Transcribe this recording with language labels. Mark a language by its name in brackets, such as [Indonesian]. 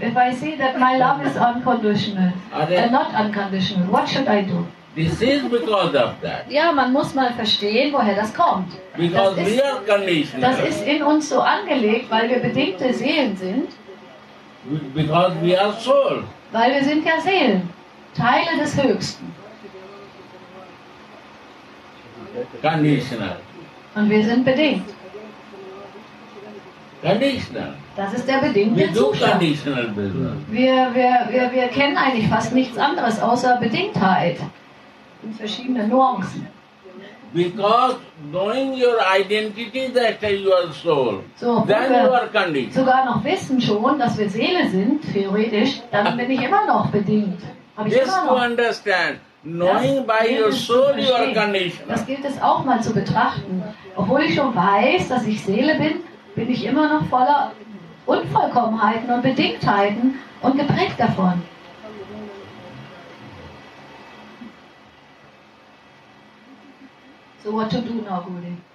[English] If I see that my love is unconditional, not unconditional, what should I do? This is because of that. [German] Ja, man muss mal verstehen, woher das kommt. [English] Because we are conditional. [German] Das ist in uns so angelegt, weil wir bedingte Seelen sind. [English] Because we are soul. [German] Weil wir sind ja Seelen, Teile des Höchsten. [English] Conditional. [German] Und wir sind bedingt. [English] Conditional. [German] Das ist der bedingte [English] we do [German] Zustand. [English] Conditional business. [German] Wir kennen eigentlich fast nichts anderes außer Bedingtheit in verschiedenen Nuancen. [English] Because knowing your identity, that you are soul, so, then you are conditioned. [German] Sogar noch wissen schon, dass wir Seele sind, theoretisch, dann bin ich immer noch bedingt. [English] Just to understand, knowing by your soul, you are conditioned. [German] Das gilt es auch mal zu betrachten. Obwohl ich schon weiß, dass ich Seele bin, bin ich immer noch voller Unvollkommenheiten und Bedingtheiten und geprägt davon. [English] So what to do now, Guru?